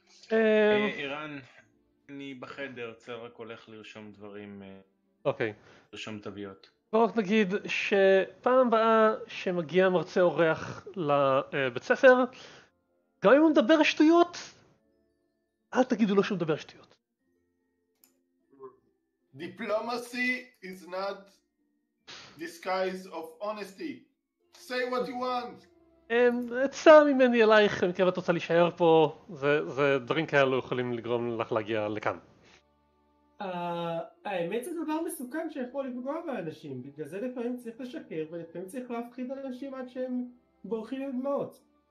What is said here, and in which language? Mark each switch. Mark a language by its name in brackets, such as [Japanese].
[Hebrew] אירן, אני בחדר, צריך רק הולך לרשום דברים. אוקיי. לרשום תוויות. בואו רק נגיד שפעם הבאה שמגיע מרצה אורח לבית ספר, גם אם הוא מדבר שטויות, אל תגידו לו שהוא מדבר שטויות. [English] Diplomacy is not disguise of honesty. Say what you want. [Hebrew] עצה ממני אלייך, אני מקווה את רוצה להישאר פה, זה דברים כאלה יכולים לגרום לך להגיע לכאן. האמת זה דבר מסוכן שיכול לפגוע באנשים, בגלל זה לפעמים צריך לשקר ולפעמים צריך להפחיד אנשים עד שהם בורחים לדמעות.